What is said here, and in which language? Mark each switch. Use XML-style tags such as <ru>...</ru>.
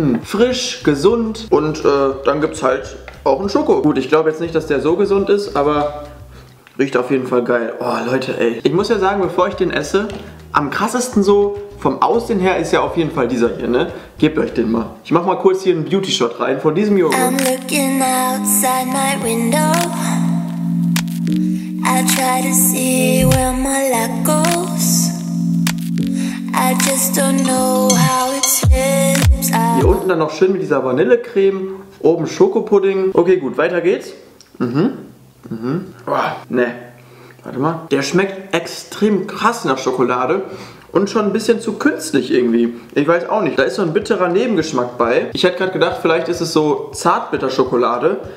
<de>Frisch, gesund. Und dann gibt es halt auch einen Schoko. Gut, ich glaube jetzt nicht, dass der so gesund ist, aber riecht auf jeden Fall geil. Oh, Leute, ey. Ich muss ja sagen, bevor ich den esse, am krassesten so vom Aussehen her ist ja auf jeden Fall dieser hier, ne? Gebt euch den mal. Ich mach mal kurz hier einen Beauty-Shot rein von diesem Joghurt.</de> <en>I'm looking outside my window. I try to see where my luck goes. I just don't know how it slips out.</en> <de>Hier unten dann noch schön mit dieser Vanillecreme, oben Schokopudding. Okay, gut, weiter geht's. Boah, ne. Warte mal. Der schmeckt extrem krass nach Schokolade. Und schon ein bisschen zu künstlich irgendwie. Ich weiß auch nicht. Da ist so ein bitterer Nebengeschmack bei. Ich hätte gerade gedacht, vielleicht ist es so Zartbitterschokolade.</de>